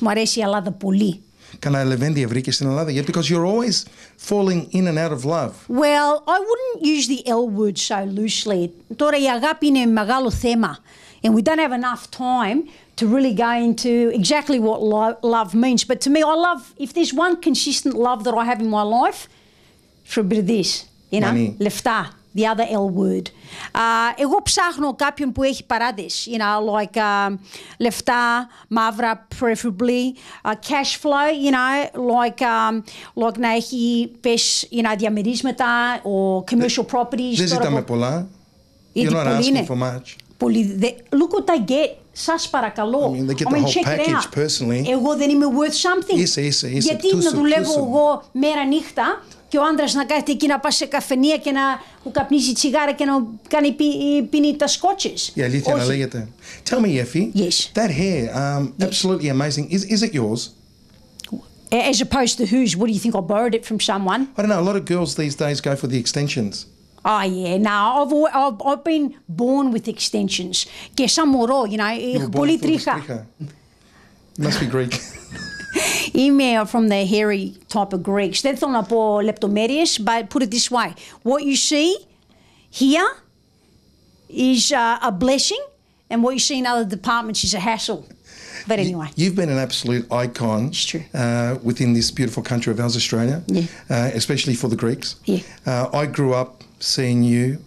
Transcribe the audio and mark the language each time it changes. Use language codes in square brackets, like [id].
[el] Μου αρέσει η Ελλάδα πολύ. Κανα λεβέντι ευρύκες στην Ελλάδα. [en] Yeah, because you're always falling in and out of love. Well, I wouldn't use the L word so loosely. [el] Τώρα η αγάπη είναι μεγάλο θέμα. [en] And we don't have enough time to really go into exactly what love means. But to me, I love, if there's one consistent love that I have in my life, for a bit of this, you know, money. [el] Λεφτά, [en] the other L word. [el] Εγώ ψάχνω κάποιον που έχει παράδες, [en] you know, like [el] λεφτά, μαύρα, [en] preferably, cash flow, you know, like [el] να έχει πες, [en] you know, [el] διαμερίσματα [en] or commercial properties. [el] Δεν ζητάμε πολλά. [en] You're not asking for much. Look what they get. Σας παρακαλώ. I mean, they get the whole package personally. [el] Εγώ δεν είμαι [en] worth something. [el] Είσαι, είσαι, είσαι. Γιατί να δουλεύω εγώ μέρα νύχτα και ο άντρας να κάθεται εκεί να πάει σε καφενεία και να καπνίζει τσιγάρα και να κάνει πίνει τα σκότσες. Η αλήθεια να λέγεται. [en] Tell me, Effie. Yes. That hair, absolutely amazing. Is it yours? As opposed to whose? What do you think? I borrowed it from someone. I don't know. A lot of girls these days go for the extensions. Oh, yeah. No, I've been born with extensions. [el] Και σαν μωρό, [en] you know. [el] Έχω πολύ τρίχα. [en] Must be Greek. [el] Είμαι [en] from the hairy type of Greeks. [el] Δεν θέλω να πω λεπτομέρειες, [en] but put it this way. What you see here is a blessing, and what you see in other departments is a hassle. But anyway. You've been an absolute icon. It's true. Within this beautiful country of ours, Australia. Yeah. Especially for the Greeks. Yeah. I grew up seeing you.